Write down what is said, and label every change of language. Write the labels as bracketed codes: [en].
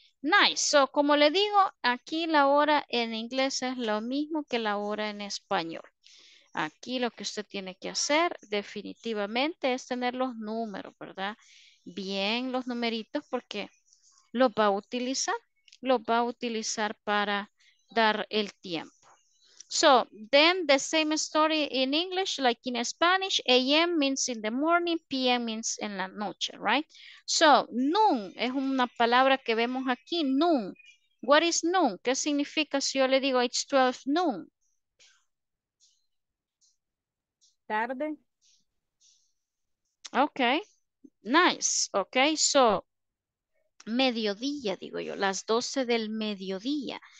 [en] Nice, so [es] como le digo, aquí la hora en inglés es lo mismo que la hora en español. Aquí lo que usted tiene que hacer definitivamente es tener los números, ¿verdad? Bien los numeritos porque los va a utilizar para dar el tiempo. [en] So, then the same story in English, like in Spanish, AM means in the morning, PM means [es] en la noche, [en] right? [es] So, noon es una palabra que vemos aquí, noon. [en] What is noon? [es] ¿Qué significa si yo le digo [en] it's 12 noon? [es] Tarde. [en] Okay, nice. [es] Okay, so, mediodía, digo yo, las 12 del mediodía.